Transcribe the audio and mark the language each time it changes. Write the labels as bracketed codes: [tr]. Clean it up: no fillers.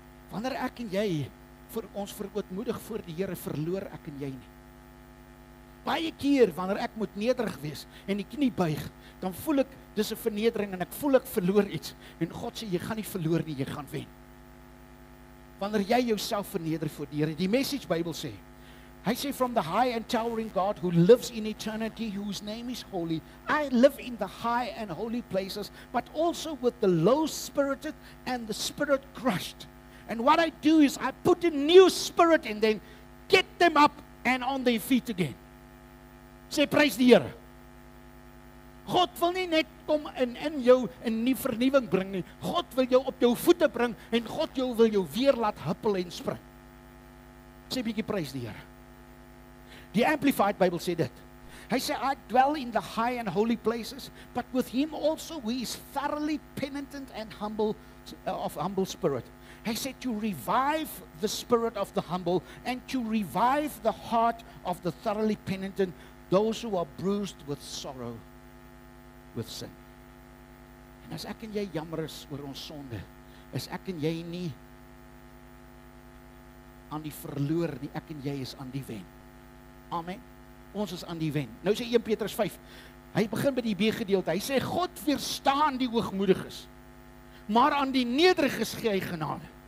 [af] Wanneer ek en jy vir ons verootmoedig voor die Here, verloor ek en jy nie. Baie keer wanneer ek moet nederig wees en die knie buig, dan voel ek dis 'n vernedering en ek voel ek verloor iets. En God sê, jy gaan nie verloor nie, jy gaan wen. Wanneer jy jouself verneder voor die Here, die Message Bybel sê, hy sê, [en] from the high and towering God who lives in eternity, whose name is holy, I live in the high and holy places, but also with the low-spirited and the spirit-crushed. And what I do is I put a new spirit in them, get them up and on their feet again. [af] Sê, prys die Here. God wil nie net kom in jou in nie vernuwing bring nie. God wil jou op jou voete bring en God jou wil jou weer laat huppel en spring. Sê, bietjie prys die Here. Die Amplified Bible sê dit. Hy sê, [en] I dwell in the high and holy places, but with him also we is thoroughly penitent and humble spirit. [af] Hy sê, [en] to revive the spirit of the humble and to revive the heart of the thoroughly penitent, those who are bruised with sorrow, with sin. [af] En as ek en jy jammer is oor ons sonde, is ek en jy nie aan die verloor nie, ek en jy is aan die wen. Amen. ons is aan die wen. Nou sê 1 Petrus 5, hy begin by die B-gedeelte, hy sê, God weerstaan die hoogmoediges, maar aan die nederiges gee hy genade.